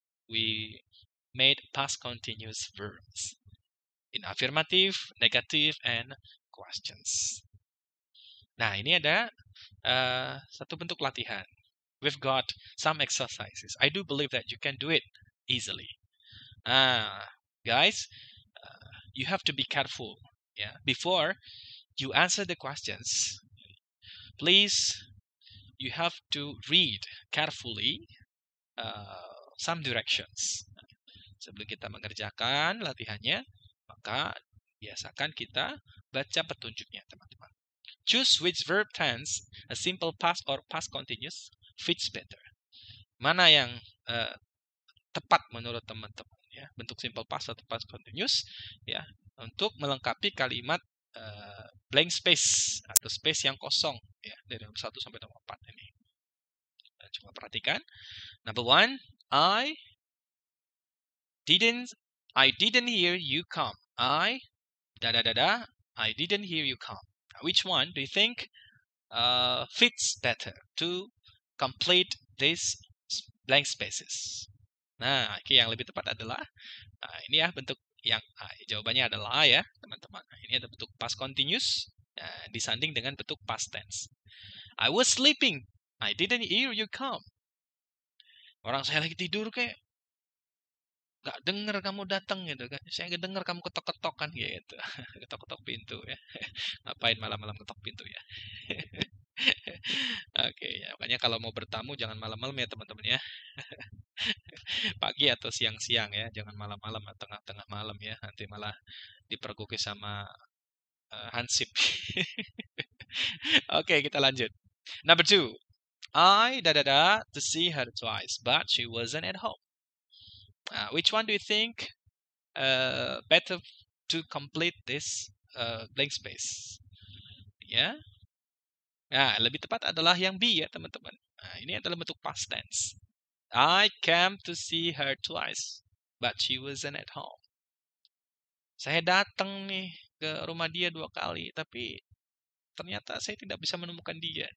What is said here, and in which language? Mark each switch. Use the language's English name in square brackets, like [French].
[English] We made past continuous verbs in affirmative, negative, and questions. [Indonesian] Nah, ini ada satu bentuk latihan. [English] We've got some exercises. I do believe that you can do it easily. Guys, you have to be careful. Yeah. Before you answer the questions, please, you have to read carefully some directions. [Indonesian] Sebelum kita mengerjakan latihannya, maka biasakan kita baca petunjuknya, teman-teman. [English] Choose which verb tense, a simple past or past continuous, fits better. [Indonesian] Mana yang tepat menurut teman-teman, ya, bentuk simple past atau past continuous, ya, untuk melengkapi kalimat blank space atau space yang kosong, ya, dari 1 sampai 4 ini. Coba perhatikan. [English] Number one, I didn't hear you come. I da-da-da-da, I didn't hear you come. Which one do you think fits better to complete these blank spaces? [Indonesian] Nah, okay, yang lebih tepat adalah, ini ya bentuk yang I. Jawabannya adalah I, ya, teman-teman. Ini ada bentuk past continuous, disanding dengan bentuk past tense. [English] I was sleeping, I didn't hear you come. [Indonesian] Orang saya lagi tidur kayak, gak dengar kamu datang, gitu kan. Saya gak dengar kamu ketok-ketok, kan, gitu. Ketok-ketok pintu, ya. Ngapain malam-malam ketok pintu, ya. Oke, okay, ya. Makanya kalau mau bertamu, jangan malam-malam, ya, teman-teman, ya. Pagi atau siang-siang, ya. Jangan malam-malam atau tengah-tengah malam, ya. Nanti malah dipergoki sama hansip. [English] Oke, okay, [Indonesian] kita lanjut. [English] Number two. I da-da-da to see her twice, but she wasn't at home. Which one do you think better to complete this blank space? Ya. Yeah. [Indonesian] Nah, lebih tepat adalah yang B, ya, teman-teman. Nah, ini adalah bentuk past tense. [English] I came to see her twice, but she wasn't at home. [Indonesian] Saya datang nih ke rumah dia dua kali, tapi ternyata saya tidak bisa menemukan dia.